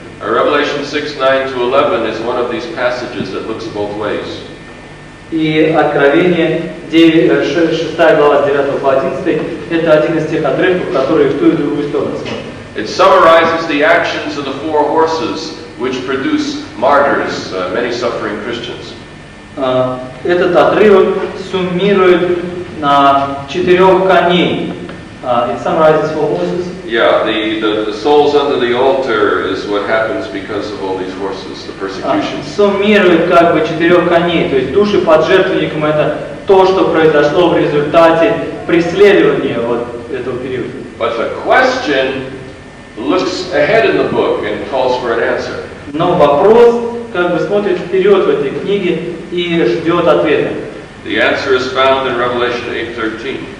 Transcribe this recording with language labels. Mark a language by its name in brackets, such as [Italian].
[English] Revelation 6, 9 to 11 is one of these passages that looks both ways. [Russian] И Откровение 6 глава с 9 по 11 это один из тех отрывков, которые в ту и другую сторону смотрят. [English] It summarizes the actions of the four horses, which produce martyrs, many suffering Christians. [Russian] Этот отрывок суммирует на четырех коней. [English] It summarizes four horses. Yeah, the souls under the altar is what happens because of all these horses, the persecution. [Russian] Суммирует как бы четырех коней, то есть души под жертвенником это то, что произошло в результате преследования вот этого периода. [English] But the question looks ahead in the book and calls for an answer. [Russian] Но вопрос как бы смотрит вперед в этой книге и ждет ответа. [English] The answer is found in Revelation 8:13.